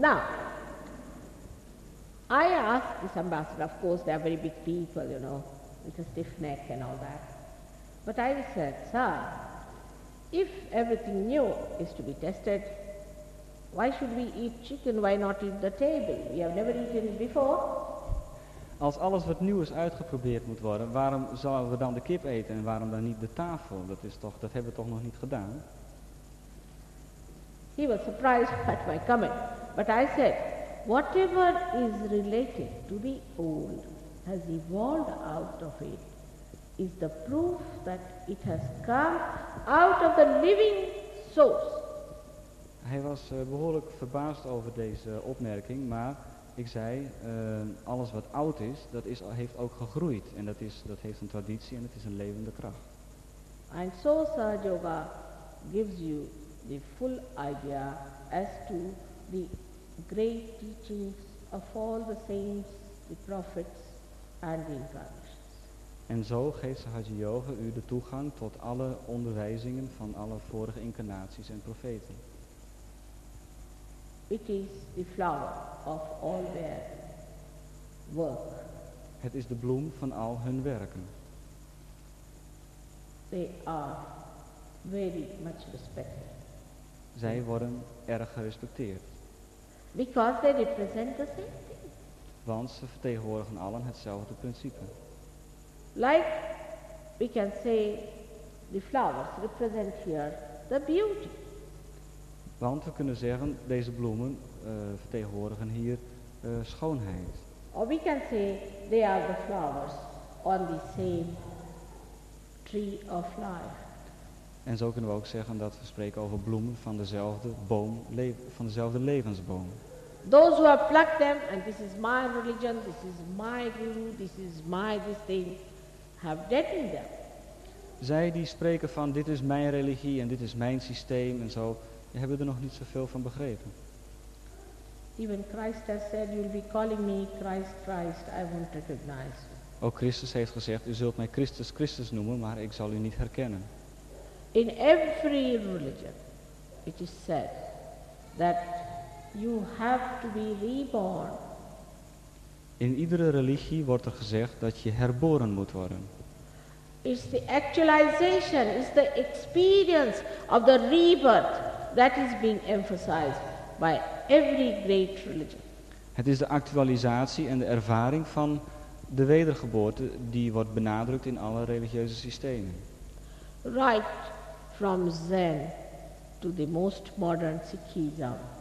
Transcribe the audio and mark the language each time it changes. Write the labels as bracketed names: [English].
[English] Now, I asked this ambassador, of course they are very big people, you know, with a stiff neck and all that. But I said, sir, if everything new is to be tested, why should we eat chicken? Why not eat the table? We have never eaten it before. [Dutch] Als alles wat nieuw is uitgeprobeerd moet worden, waarom zouden we dan de kip eten en waarom dan niet de tafel? Dat is toch, dat hebben we toch nog niet gedaan? [English] He was surprised at my coming. But I said, whatever is related to the old has evolved out of it is the proof that it has come out of the living source. [Dutch] Hij was behoorlijk verbaasd over deze opmerking, maar ik zei, alles wat oud is, dat is, heeft ook gegroeid. En dat, is, dat heeft een traditie en het is een levende kracht. [English] And so Sahaja Yoga gives you the full idea as to the great teachings of all the saints, the prophets and the incarnations. [Dutch] En zo geeft Sahaja Yoga u de toegang tot alle onderwijzingen van alle vorige incarnaties en profeten. [English] It is the flower of all their work. [Dutch] Het is de bloem van al hun werken. [English] They are very much respected. [Dutch] Zij worden erg gerespecteerd. [English] Because they represent the same thing. [Dutch] Want ze vertegenwoordigen allen hetzelfde principe. [English] Like we can say the flowers represent here the beauty. [Dutch] Want we kunnen zeggen, deze bloemen vertegenwoordigen hier schoonheid. [English] Or we can say, they are the flowers on the same tree of life. [Dutch] En zo kunnen we ook zeggen dat we spreken over bloemen van dezelfde boom, van dezelfde levensboom. [English] Those who have plucked them, and this is my religion, this is my guru, this is my this thing, have deadened them. [Dutch] Zij die spreken van, dit is mijn religie en dit is mijn systeem en zo, hebben er nog niet zoveel van begrepen. [English] Even Christ has said, you'll be calling me Christ, Christ, I won't recognize you. [Dutch] Ook Christus heeft gezegd, u zult mij Christus, Christus noemen, maar ik zal u niet herkennen. [English] In every religion, it is said that you have to be reborn. [Dutch] In iedere religie wordt er gezegd dat je herboren moet worden. [English] It's the actualization, it's the experience of the rebirth. That is being emphasized by every great religion. [Dutch] Het is de actualisatie en de ervaring van de wedergeboorte die wordt benadrukt in alle religieuze systemen. [English] Right from Zen to the most modern Sikhism.